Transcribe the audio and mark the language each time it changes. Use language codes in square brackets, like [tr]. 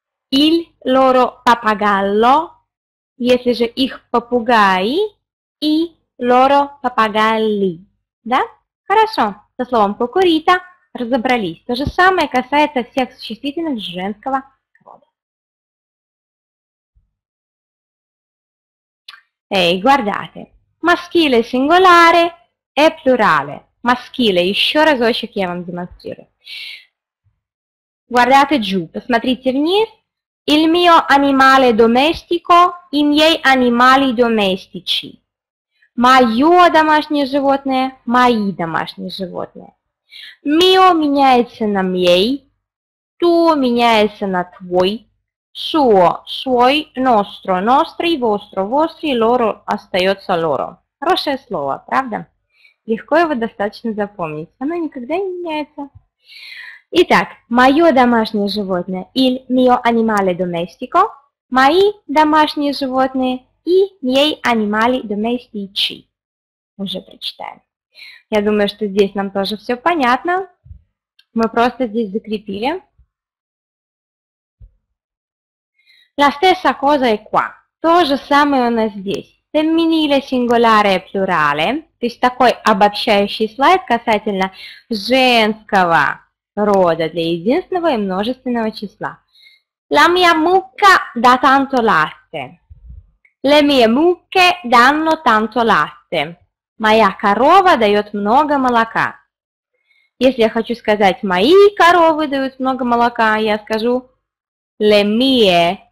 [it] Il loro papagallo. [ru] Если же их попугай. [it] И loro papagalli. [ru] Да? Хорошо. Со словом cocorita разобрались. То же самое касается всех существительных женского. [it] Ehi, guardate, maschile singolare e plurale. [ru] Maschile, еще разочек я вам демонстрирую. [it] Guardate giù, [ru] посмотрите вниз. [it] Il mio animale domestico, i miei animali domestici. [ru] Мое домашнее животное, мои домашние животные. Mio меняется на miei, tuo меняется на твой. [it] Suo, suoi, nostro, nostri, vostro, vostri, loro, [ru] остается [it] loro. [ru] Хорошее слово, правда? Легко его достаточно запомнить. Оно никогда не меняется. Итак, мое домашнее животное, [it] il mio animale domestico, [ru] мои домашние животные [it] и miei animali domestici. [ru] Уже прочитаем. Я думаю, что здесь нам тоже все понятно. Мы просто здесь закрепили. [it] La stessa cosa è qua. [ru] То же самое у нас здесь. [it] Femminile, singolare e plurale. [ru] То есть такой обобщающий слайд касательно женского рода для единственного и множественного числа. [it] La mia mucca dà tanto latte. Le mie mucche danno tanto latte. [ru] Моя корова дает много молока. Если я хочу сказать, мои коровы дают много молока, я скажу [it] le mie.